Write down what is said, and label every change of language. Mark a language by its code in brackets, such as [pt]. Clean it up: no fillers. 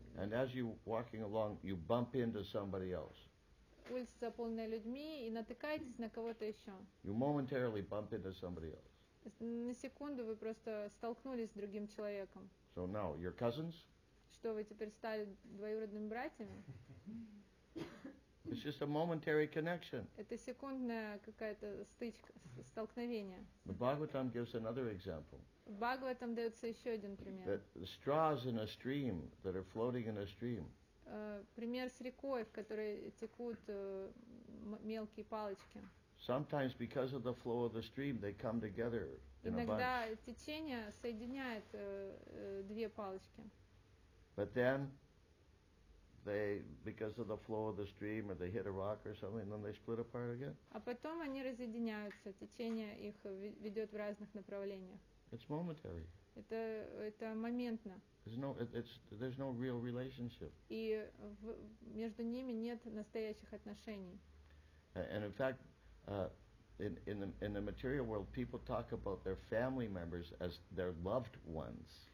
[en] And as you walking along, you bump into somebody else. [ru] Улицы заполненные людьми, и натыкаетесь на кого-то еще. [en] You momentarily bump into somebody else. [ru] На секунду вы просто столкнулись с другим человеком. [en] So now, your cousins? [ru] Что, вы теперь стали двоюродными братьями? [en] It's just a momentary connection. [ru] Это секундная какая-то стычка, столкновение. [en] The Bhagavatam gives another example. [ru] В Бхагаватам дается еще один пример. [en] That the straws in a stream that are floating in a stream. [ru] Пример с рекой, в которой текут мелкие палочки. [en] Sometimes because of the flow of the stream, they come together in a bunch. [ru] Иногда течение соединяет две палочки. [en] But then, they because of the flow of the stream, or they hit a rock or something, then they split apart again. [ru] А потом они разъединяются, течение их ведет в разных направлениях. [en] It's momentary. [ru] Это моментно. [en] There's no real relationship. [ru] И между ними нет настоящих отношений. [en] And in fact, in the material world, people talk about their family members as their loved ones.